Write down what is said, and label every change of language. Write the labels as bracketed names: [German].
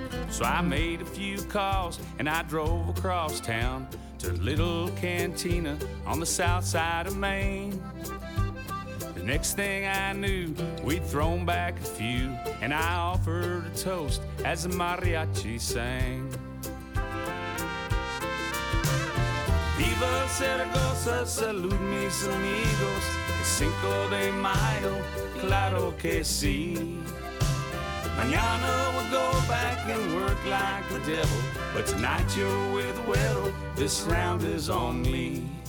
[English] So I made a few calls and I drove across town to a little cantina on the south side of Maine. Next thing I knew, we'd thrown back a few, and I offered a toast as the mariachi sang. [Spanish] Viva Zaragoza, salud mis amigos, Cinco de Mayo, claro que sí. [English] Mañana we'll go back and work like the devil, but tonight you're with Weddle, this round is on me.